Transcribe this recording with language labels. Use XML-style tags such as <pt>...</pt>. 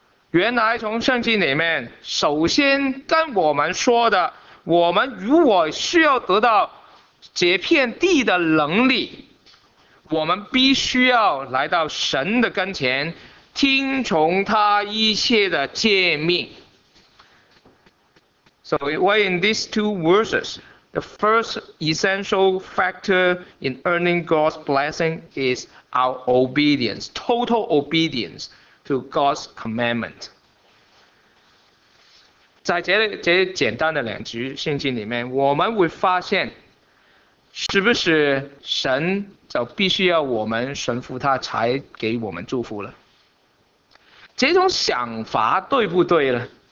<zh>原来从圣经里面，首先跟我们说的，我们如果需要得到这片地的能力，我们必须要来到神的跟前，听从他一切的诫命。</zh> <en>So why in these two verses, the first essential factor in earning God's blessing is our obedience, total obedience to God's commandment.</en> <zh>在这简单的两句圣经里面，我们会发现是不是神就必须要我们顺服他才给我们祝福了。这种想法对不对呢？</zh>